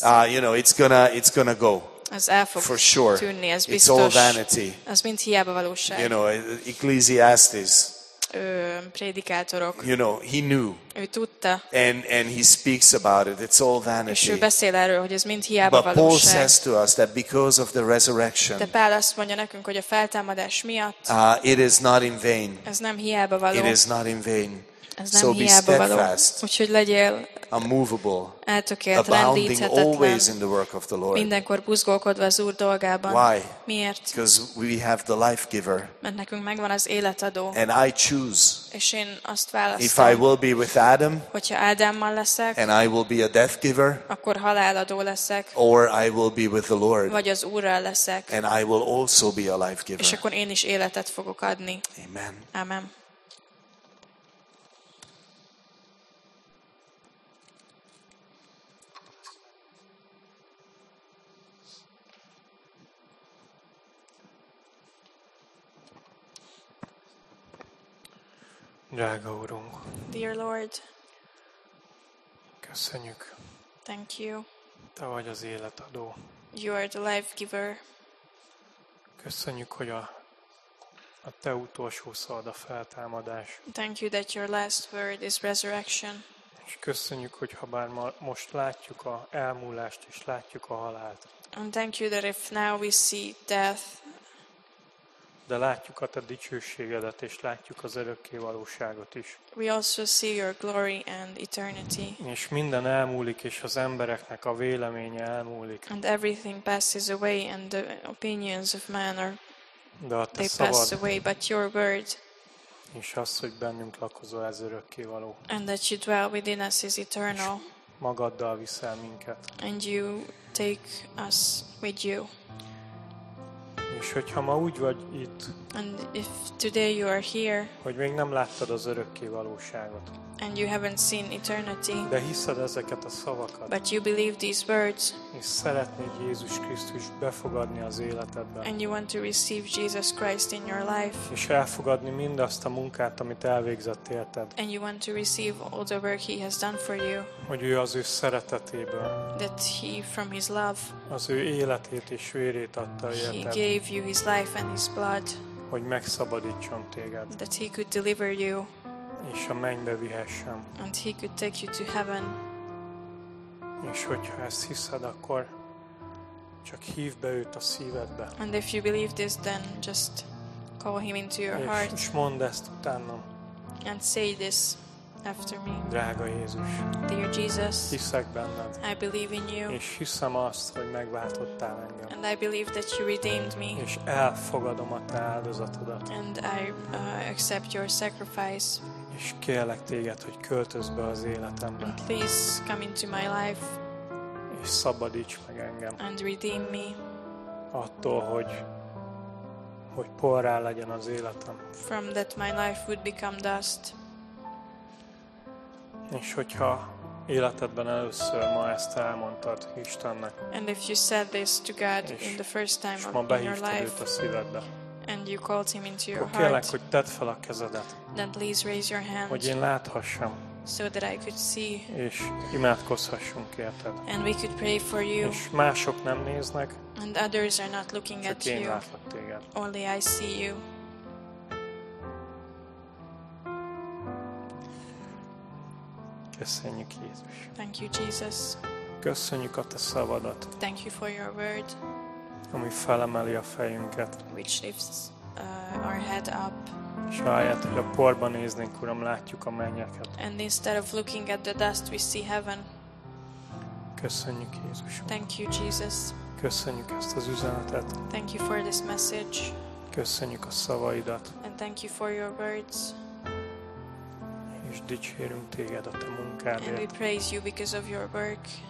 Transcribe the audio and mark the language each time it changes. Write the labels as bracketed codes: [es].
[en] You know, it's gonna go. [hu] Ez el fog [en] for sure. [hu] Tűnni, ez biztos. [en] It's all vanity. [hu] Ez mind hiába valóság. [en] You know, Ecclesiastes. [hu] Prédikátorok. [en] You know, he knew. [hu] Ő tudta. [en] And he speaks about it. It's all vanity. [hu] És ő beszél erről, hogy ez mind hiába [en] but [hu] valóság. [en] But Paul says to us that because of the resurrection. [hu] De Pál azt mondja nekünk, hogy a feltámadás miatt. [en] It is not in vain. [hu] Ez nem hiába való. [en] It is not in vain. [hu] Ez nem [en] so [hu] hiába [en] be [hu] való. Úgyhogy legyél [en] unmovable, [hu] eltökélt, [en] abounding always in the work of the Lord. [hu] Mindenkor buzgókodva az Úr dolgában. [en] Why? [hu] Miért? [en] Because we have the life giver. [hu] Mert nekünk megvan az életadó. [en] And I choose. [hu] És én azt választom. [en] If I will be with Adam. [hu] Hogyha Ádámmal leszek. [en] And I will be a death giver. [hu] Akkor haláladó leszek. [en] Or I will be with the Lord. [hu] Vagy az Úrral leszek. [en] And I will also be a life giver. [hu] És akkor én is életet fogok adni. [en] Amen. [hu] Amen. Drága Úrunk. [en] Dear Lord. [hu] Köszönjük. [en] Thank you. [hu] Te vagy az életadó. [en] You are the life giver. [hu] Köszönjük, hogy a te utolsó szavad a feltámadás. [en] Thank you that your last word is resurrection. [hu] És köszönjük, hogy ha bár most látjuk a elmúlást és látjuk a halált. [en] And thank you that if now we see death. [hu] De látjuk a te dicsőségedet és látjuk az örökké valóságot is. [en] We also see your glory and eternity. [hu] És minden elmúlik és az embereknek a véleménye elmúlik. [en] And everything passes away and the opinions of men are [hu] de a te [en] they [hu] szabad, [en] pass away but your word. [hu] És az, hogy bennünk lakozol ez örökké való. [en] And that you dwell within us is eternal. [hu] Magaddal viszel minket. [en] And you take us with you. [hu] És hogyha ma úgy vagy itt, [en] and if today you are here, [hu] hogy még nem láttad az örökké valóságot, [en] and you haven't seen eternity, [hu] de hiszed ezeket a szavakat, [en] but you believe these words, [hu] és szeretnéd Jézus Krisztus befogadni az életedbe, [en] and you want to receive Jesus Christ in your life, [hu] és elfogadni mindazt a munkát, amit elvégzett érted, [en] and you want to receive all the work he has done for you, [hu] hogy ő az ő szeretetéből, [en] that he from his love, [hu] az ő életét és vérét adta érted, [en] he gave you his life and his blood, [hu] hogy megszabadítson téged, [en] that he could deliver you, [hu] és a mennybe vihessen, [en] and he could take you to heaven. [hu] És hogyha ezt hiszed, akkor csak hívd be őt a szívedbe. [en] And if you believe this, then just call him into your heart. [hu] És mondd ezt utánam. [en] And say this after me. [hu] Drága Jézus. [en] Dear Jesus. [hu] Hiszek benned. [en] I believe in you. [hu] És hiszem azt, hogy megváltottál engem. [en] And I believe that you redeemed me. [hu] És elfogadom a te áldozatodat. [en] And I accept your sacrifice. [hu] És kérlek téged, hogy költözz be az életembe. [en] And please come into my life. [hu] És szabadíts meg engem. [en] And redeem me. [hu] Attól, hogy porrá legyen az életem. [en] From that my life would become dust. [hu] És hogyha életedben először ma ezt elmondtad Istennek. [en] And if you said this to God in the first time of your life. [hu] És ma behívtad őt a szívedbe. [en] And you called him into your [hu] kérlek, [en] heart. [hu] Hogy tedd fel a kezedet. [en] Then please raise your hand. [hu] Hogy én láthassam. [en] So that I could see. [hu] És imádkozhassunk érted. [en] And we could pray for you. [hu] És mások nem néznek. [en] And others are not looking [hu] csak [en] at you. [hu] Csak én látlak téged. [en] Only I see you. [hu] Köszönjük Jézus. [en] Thank you Jesus. [hu] Köszönjük a te szavadat. [en] Thank you for your word. [hu] Ami felemeli a fejünket. [en] Which lifts our head up. [hu] És ahelyett, hogy a porba néznénk, Uram, látjuk a mennyeket. [en] And instead of looking at the dust, we see heaven. [hu] Köszönjük Jézusom. [en] Thank you, Jesus. [hu] Köszönjük ezt az üzenetet. [en] Thank you for this message. [hu] Köszönjük a szavaidat. [en] And thank you for your words. [hu] És dicsérünk téged a te munkádért. [en] And we praise you because of your work.